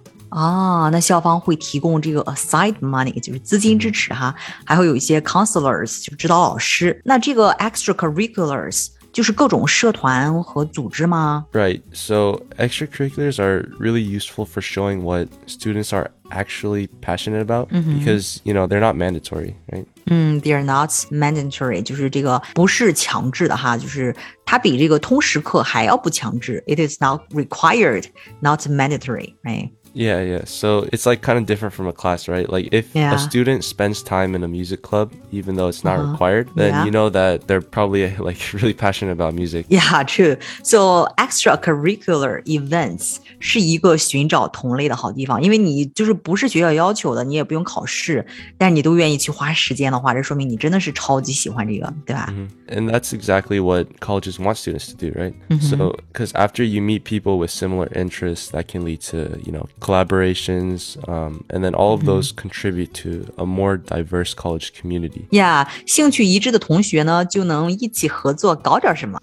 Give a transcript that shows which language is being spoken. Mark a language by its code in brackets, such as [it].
[zh] 啊，那校方会提供这个 aside money， 就是资金支持哈，还会有一些 counselors， 就指导老师。那这个 extracurriculars 就是各种社团和组织吗？ [en] Right. So extracurriculars are really useful for showing what students are actually passionate about、mm-hmm. because you know they're not mandatory, right? They are not mandatory. [zh] 就是这个不是强制的哈，就是它比这个通识课还要不强制。 [en] It is not required, not mandatory, right? Yeah. So it's like kind of different from a class, right? Like if、yeah. a student spends time in a music club, even though it's not、uh-huh. required, then、yeah. you know that they're probably like really passionate about music. Yeah, true. So extracurricular events [zh] 是一个寻找同类的好地方，因为你就是不是学校要求的，你也不用考试，但你都愿意去花时间的话，这说明你真的是超级喜欢这个，对吧、mm-hmm. [en] And that's exactly what colleges want students to do, right?、 Mm-hmm. So because after you meet people with similar interests, that can lead to, you know,collaborations, and then all of those、mm-hmm. contribute to a more diverse college community. [zh] Yeah, 兴趣一致的同学呢就能一起合作搞点什么。